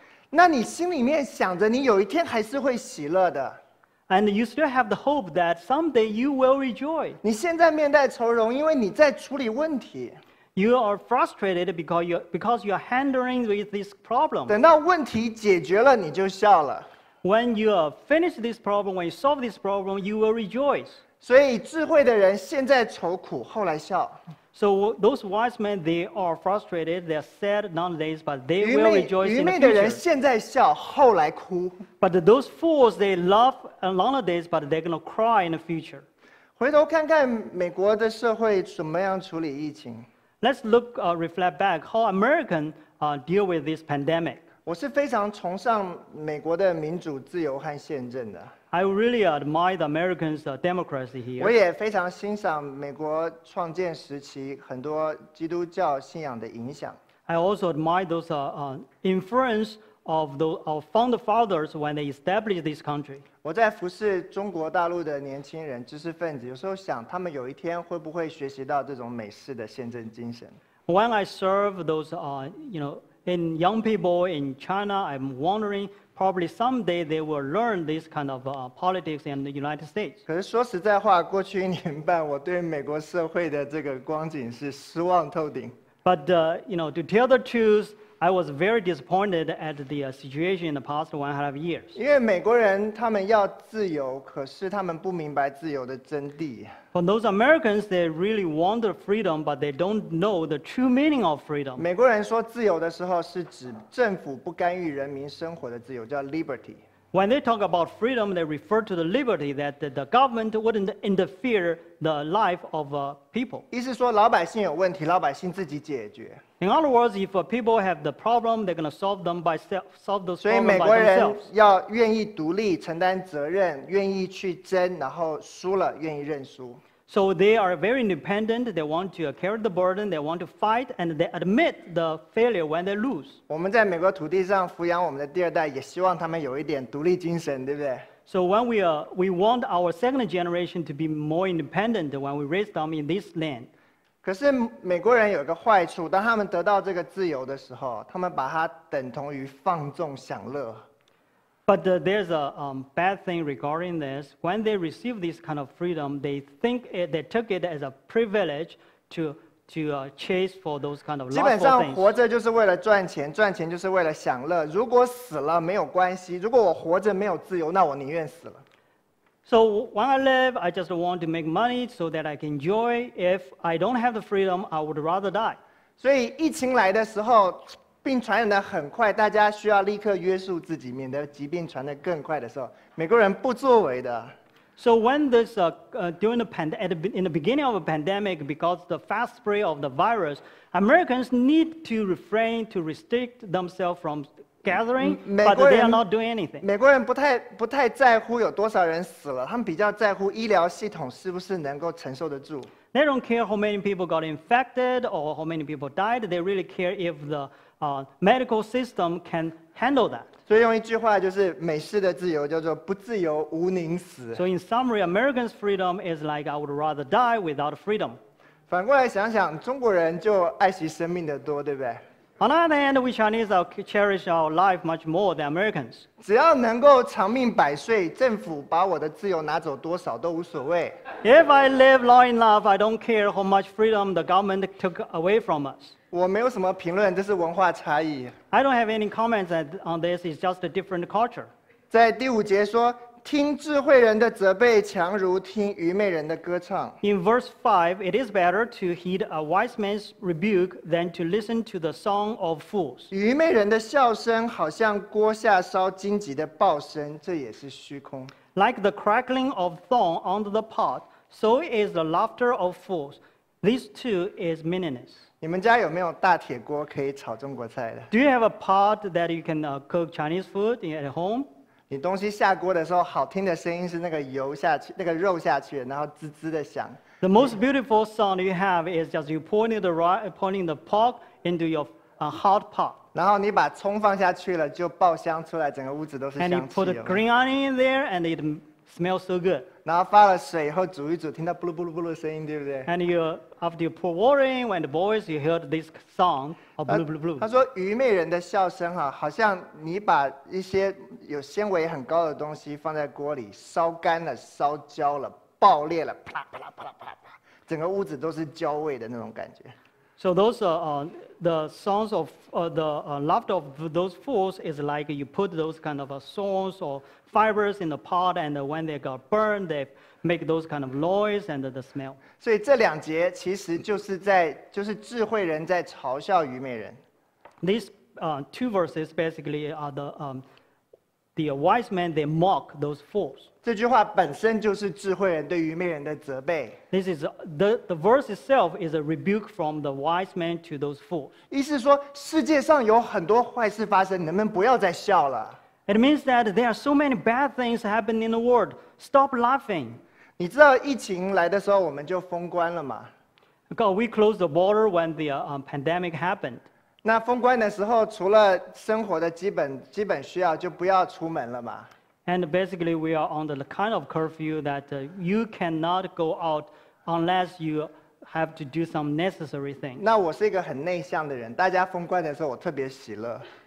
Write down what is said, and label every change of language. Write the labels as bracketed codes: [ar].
[zh] 那你心里面想着你有一天还是会喜乐的。 [en] And you still have the hope that someday you will rejoice. [zh] 你现在面带愁容，因为你在处理问题。 [en] You are frustrated because you're handling with this problem. [zh] 等到问题解决了，你就笑了。 [en] When you finish this problem, when you solve this problem, you will rejoice. [zh] 所以智慧的人现在愁苦，后来笑。 [en] So those wise men, they are frustrated, they are sad nowadays, but they will rejoice in the future. [zh] 愚昧的人现在笑，后来哭。 [en] But those fools, they laugh nowadays, but they're going to cry in the future. [zh] 回头看看美国的社会怎么样处理疫情。 [en] Let's reflect back how Americans deal with this pandemic. [zh] 我是非常崇尚美国的民主、自由和宪政的。 [en] I really admire the Americans' democracy here. [zh] 我也非常欣赏美国创建时期很多基督教信仰的影响。 [en] I also admire those influence of the founding fathers when they established this country. [zh] 我在服侍中国大陆的年轻人、知识分子，有时候想他们有一天会不会学习到这种美式的宪政精神。 [en] When I serve those in young people in China, I'm wondering. Probably someday they will learn this kind of politics in the United States. [zh] 可是说实在话，过去一年半，我对美国社会的这个光景是失望透顶。 [en] But to tell the truth, I was very disappointed at the situation in the past 1.5 years. [zh] 因为美国人他们要自由，可是他们不明白自由的真谛。 [en] For those Americans, they really want the freedom, but they don't know the true meaning of freedom. [zh] 美国人说自由的时候，是指政府不干预人民生活的自由，叫 liberty. [en] When they talk about freedom, they refer to the liberty that the government wouldn't interfere the life of people. [zh] 意思说老百姓有问题，老百姓自己解决。 [en] In other words, if people have the problem, they're going to solve them by self, solve those problems by themselves. [zh] 所以美国人要愿意独立承担责任，愿意去争，然后输了愿意认输。 [en] So they are very independent. They want to carry the burden. They want to fight, and they admit the failure when they lose. [zh] 我们在美国土地上抚养我们的第二代，也希望他们有一点独立精神，对不对？ [en] So when we want our second generation to be more independent when we raise them in this land. [zh] 可是美国人有一个坏处，当他们得到这个自由的时候，他们把它等同于放纵享乐。 [en] But there's a bad thing regarding this. When they receive this kind of freedom, they think they took it as a privilege to chase for those kind of lustful things. [zh] 基本上活着就是为了赚钱，赚钱就是为了享乐。如果死了没有关系，如果我活着没有自由，那我宁愿死了。 [en] So when I live, I just want to make money so that I can enjoy. If I don't have the freedom, I would rather die. [zh] 所以疫情来的时候，病传染得很快，大家需要立刻约束自己，免得疾病传得更快的时候，美国人不作为的。 [en] So when this during the in the beginning of a pandemic, because the fast spread of the virus, Americans need to refrain to restrict themselves from. Gathering, but they are not doing anything. [zh] 美国人不太在乎有多少人死了，他们比较在乎医疗系统是不是能够承受得住。 [en] They don't care how many people got infected or how many people died. They really care if the medical system can handle that. [zh] 所以用一句话就是美式的自由叫做不自由无宁死。 [en] So in summary, Americans' freedom is like I would rather die without freedom. [zh] 反过来想想，中国人就爱惜生命的多，对不对？ [en] On the other hand, we Chinese cherish our life much more than Americans. [zh] 只要能够长命百岁，政府把我的自由拿走多少都无所谓。 [en] If I live long enough, I don't care how much freedom the government took away from us. [zh] 我没有什么评论，这是文化差异。 [en] I don't have any comments on this. It's just a different culture. [zh] 在第五节说，听智慧人的责备，强如听愚昧人的歌唱。 [en] In verse 5, it is better to heed a wise man's rebuke than to listen to the song of fools. [zh] 愚昧人的笑声好像锅下烧荆棘的爆声，这也是虚空。 [en] Like the crackling of thorn under the pot, so is the laughter of fools. These two is meaningless. [zh] 你们家有没有大铁锅可以炒中国菜的？ [en] Do you have a pot that you can cook Chinese food at home? [zh] 你东西下锅的时候，好听的声音是那个油下去，那个肉下去，然后滋滋的响。 [en] The most beautiful sound you have is just you pouring the pork into your hot pot. [zh] 然后你把葱放下去了，就爆香出来，整个屋子都是香气。 [en] And you put a green onion in there, and it smells so good. [zh] 然后发了水以后煮一煮，听到咕噜咕噜咕噜的声音，对不对 [en] ？And you after you pour water in, when the boys you heard this song. [zh] 他说愚昧人的笑声好像你把一些有纤维很高的东西放在锅里烧干了烧焦了爆裂了啪啦啪啦啪啦啪啦啪整个屋子都是焦味的那种感觉 [en] So those are the songs of the laughter of those fools is like you put those kind of thorns or fibers in the pot and when they got burned theyMake those kind of noise and the smell. [zh] 所以这两节其实就是智慧人在嘲笑愚昧人。 [en] These two verses basically are the wise men they mock those fools. [zh] 这句话本身就是智慧人对愚昧人的责备。 [en] This is the verse itself is a rebuke from the wise men to those fools. [zh] 意思说世界上有很多坏事发生，能不能不要再笑了？ [en] It means that there are so many bad things happening in the world. Stop laughing. [zh] 你知道疫情来的时候我们就封关了吗 [en] God, we closed the border when the pandemic happened. [zh] 那封关的时候除了生活的基本需要就不要出门了吗 [en] And basically we are on the kind of curfew that you cannot go out unless you have to do some necessary thing. [zh] 那我是一个很内向的人大家封关的时候我特别喜乐